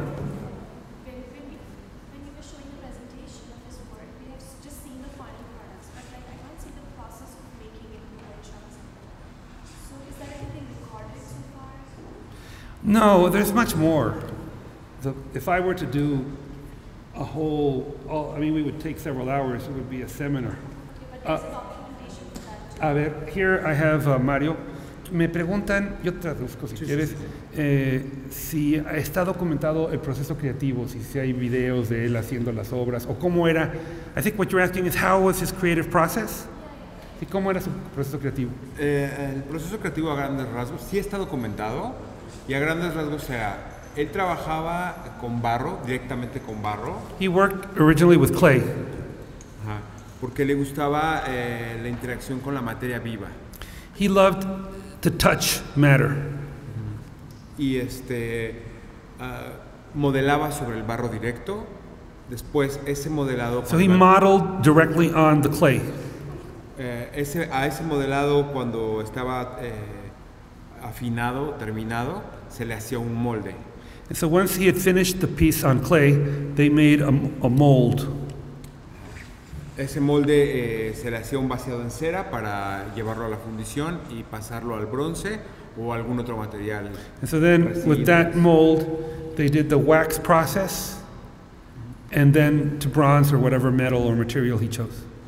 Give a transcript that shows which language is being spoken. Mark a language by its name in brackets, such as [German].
[English] When you were showing the presentation of this work, we have just seen the final products, but like, I can't see the process of making it in the workshops. So is there anything recorded so far? No, there's much more. If I were to do a whole, we would take several hours, it would be a seminar. [Spanish] A ver, [English] here I have Mario. [Spanish] Me preguntan, yo traduzco si quieres, si está documentado el proceso creativo, si hay videos de él haciendo las obras, o cómo era. [English] I think what you're asking is how was his creative process? [Spanish] ¿Y cómo era su proceso creativo? El proceso creativo a grandes rasgos sí está documentado, y a grandes rasgos, o sea, él trabajaba con barro, directamente con barro. [English] He worked originally with clay. [Spanish] Porque le gustaba la interacción con la materia viva. [English] He loved to touch matter. [Spanish] Y modelaba sobre el barro directo. Después ese modelado. [English] So he modeled directly on the clay. [Spanish] Ese modelado cuando estaba afinado, terminado, se le hacía un molde. [English] And so once he had finished the piece on clay, they made a mold. [Spanish] Ese molde se le hacía un vaciado en cera para llevarlo a la fundición y pasarlo al bronce o algún otro material. [English] And so then with that mold, they did the wax process and then to bronze or whatever metal or material he chose.